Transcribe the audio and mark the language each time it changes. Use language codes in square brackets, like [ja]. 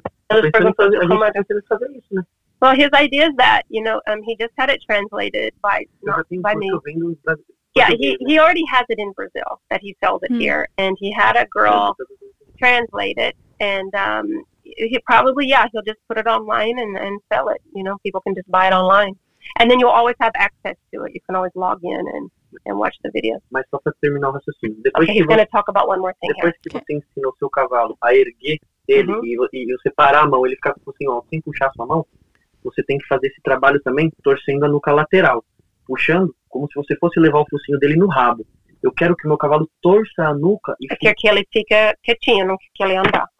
[pt] Ela perguntou como é que fazer isso, né? [en] Well, his idea is that, you know, he just had it translated by me. Yeah, he already has it in Brazil that he sells it here. And he had a girl translate it. And he probably, he'll just put it online and sell it. You know, people can just buy it online. And then you'll always have access to it. You can always log in and watch the video. Okay, he's going to talk about one more thing here. [pt] Depois que você ensinou seu cavalo a erguer ele e você parar a mão, ele ficar assim, ó, sem puxar sua mão, você tem que fazer esse trabalho também torcendo a nuca lateral, puxando como se você fosse levar o focinho dele no rabo. Eu quero que meu cavalo torça a nuca e fique... Quer que ele fique quietinho, não quer que ele andar.